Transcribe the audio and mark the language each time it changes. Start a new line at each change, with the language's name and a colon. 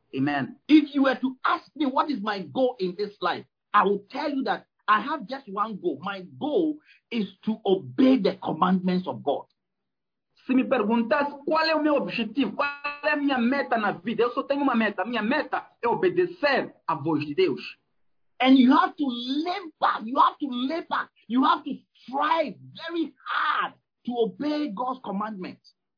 English: Amen. If you were to ask me what is my goal in this life, I will tell you that I have just one goal. My goal is to obey the commandments of God.
Portuguese: Se me perguntasse qual é o meu objetivo, qual é a minha meta na vida, eu só tenho uma meta. Minha meta é obedecer à voz de Deus.
English: And you have to labor, you have to labor, you have to strive very hard to obey God's commandments.